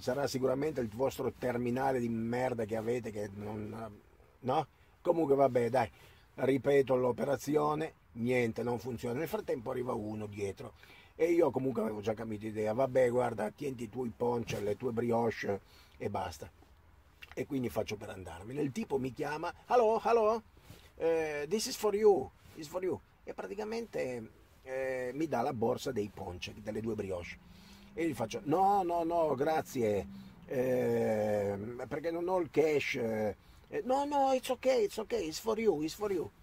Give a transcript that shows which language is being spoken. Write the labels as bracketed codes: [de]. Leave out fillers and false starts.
[it] Sarà sicuramente il vostro terminale di merda che avete che non. No? Comunque, vabbè, dai, ripeto l'operazione. Niente, non funziona. Nel frattempo arriva uno dietro. E io comunque avevo già cambiato idea, vabbè, guarda, tieni i tuoi ponche, le tue brioche e basta. E quindi faccio per andarmene. Il tipo mi chiama: [en] "Hello, hello, this is for you, this is for you." [it] E praticamente mi dà la borsa dei ponche, delle due brioche. E gli faccio: "No, no, no, grazie, perché non ho il cash." [en] "No, no, it's okay, it's for you, it's for you."